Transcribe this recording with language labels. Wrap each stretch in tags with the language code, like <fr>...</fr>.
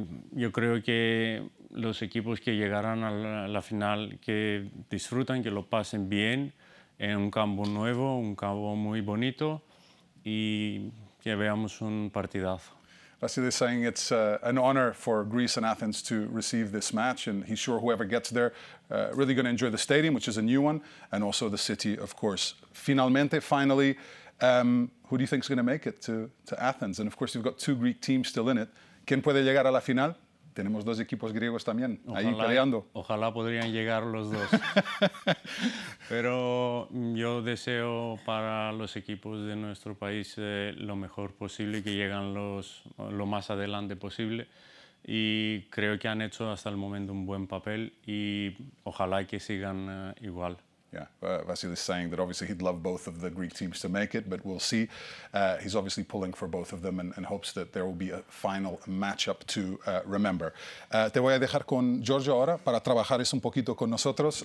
<es>Yo creo que los equipos que llegarán a la final que disfrutan, que lo pasen bien en un campo nuevo, un campo muy bonito y que veamos un partidazo.</es> <en>Vasilis saying it's an honor for Greece and Athens to receive this match, and he's sure whoever gets there really going to enjoy the stadium, which is a new one, and also the city, of course. Finally, who do you think is going to make it to Athens? And of course, you've got two Greek teams still in it.</en> <es>¿Quién puede llegar a la final? Tenemos dos equipos griegos también ahí peleando. Ojalá podrían llegar los dos. Pero yo deseo para los equipos de nuestro país lo mejor posible, que lleguen lo más adelante posible. Y creo que han hecho hasta el momento un buen papel y ojalá que sigan igual.</es> <en>Yeah, Vasilis saying that obviously he'd love both of the Greek teams to make it, but we'll see. He's obviously pulling for both of them and hopes that there will be a final matchup to remember.</en> <es>Te voy a dejar con Giorgio ahora para trabajar un poquito con nosotros.</es>